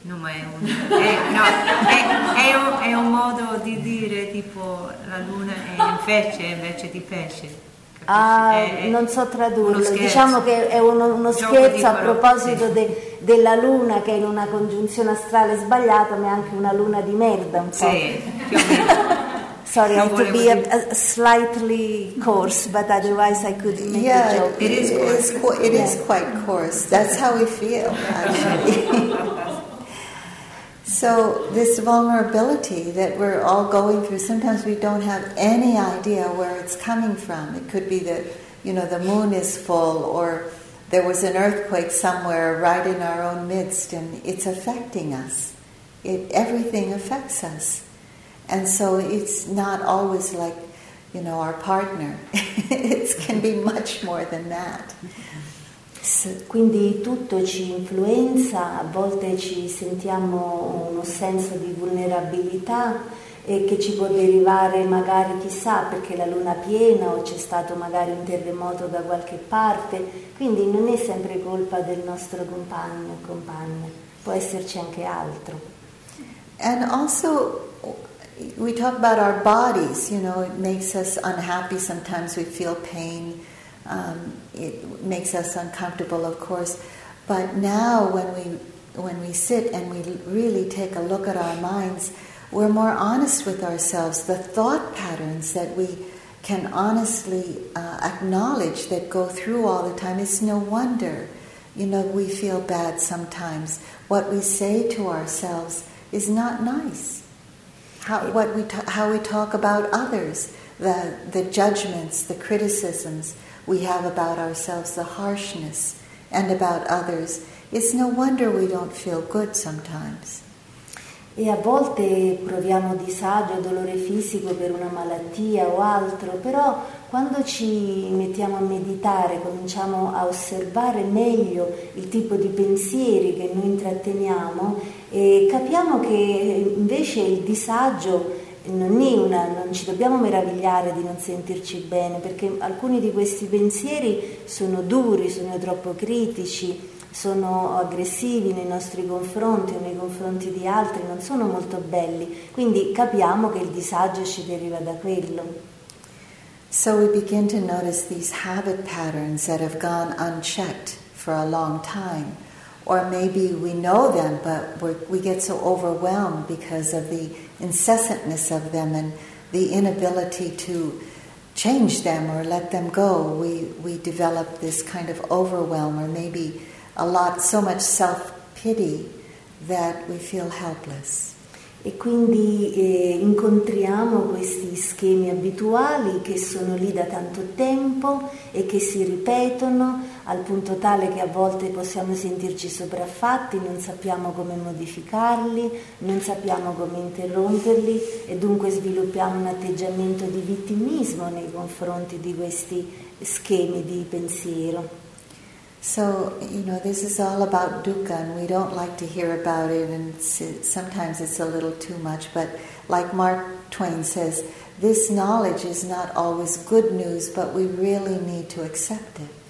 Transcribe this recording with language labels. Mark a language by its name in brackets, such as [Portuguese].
[Italian] No, ma è un modo di dire tipo la luna è in pesce invece di pesce. Non so tradurlo, diciamo che è uno scherzo a proposito della luna che è in una congiunzione astrale sbagliata, ma è anche una luna di merda un po'. Sì, più o meno. [English] Sorry, I have to be a slightly coarse, but otherwise I could make a joke. It is coarse. It is quite coarse. That's how we feel, actually. So this vulnerability that we're all going through, sometimes we don't have any idea where it's coming from. It could be that, you know, the moon is full, or there was an earthquake somewhere right in our own midst, and it's affecting us. Everything affects us. And so it's not always like, you know, our partner. It can be much more than that. [Italian] Quindi tutto ci influenza, a volte ci sentiamo uno senso di vulnerabilità e che ci può derivare magari chissà perché la luna piena o c'è stato magari un terremoto da qualche parte, quindi non è sempre colpa del nostro compagno o compagna, può esserci anche altro. [English] And also we talk about our bodies, you know, it makes us unhappy, sometimes we feel pain. It makes us uncomfortable, of course, but now when we sit and we really take a look at our minds, we're more honest with ourselves. The thought patterns that we can honestly acknowledge that go through all the time, it's no wonder, you know, we feel bad sometimes. What we say to ourselves is not nice. How we talk about others, the judgments, the criticisms we have about ourselves, the harshness, and about others. It's no wonder we don't feel good sometimes. [Italian] E a volte proviamo disagio, dolore fisico per una malattia o altro, però quando ci mettiamo a meditare, cominciamo a osservare meglio il tipo di pensieri che noi intratteniamo, e capiamo che invece il disagio non ci dobbiamo meravigliare di non sentirci bene, perché alcuni di questi pensieri sono duri, sono troppo critici, sono aggressivi nei nostri confronti o nei confronti di altri, non sono molto belli, quindi capiamo che il disagio ci deriva da quello. [English] So we begin to notice these habit patterns that have gone unchecked for a long time, or maybe we know them but we get so overwhelmed because of the incessantness of them and the inability to change them or let them go, we develop this kind of overwhelm, or maybe a lot, so much self-pity that we feel helpless. [Italian] E quindi incontriamo questi schemi abituali che sono lì da tanto tempo e che si ripetono al punto tale che a volte possiamo sentirci sopraffatti, non sappiamo come modificarli, non sappiamo come interromperli e dunque sviluppiamo un atteggiamento di vittimismo nei confronti di questi schemi di pensiero. [English] So, you know, this is all about dukkha, and we don't like to hear about it, and sometimes it's a little too much, but like Mark Twain says, this knowledge is not always good news, but we really need to accept it.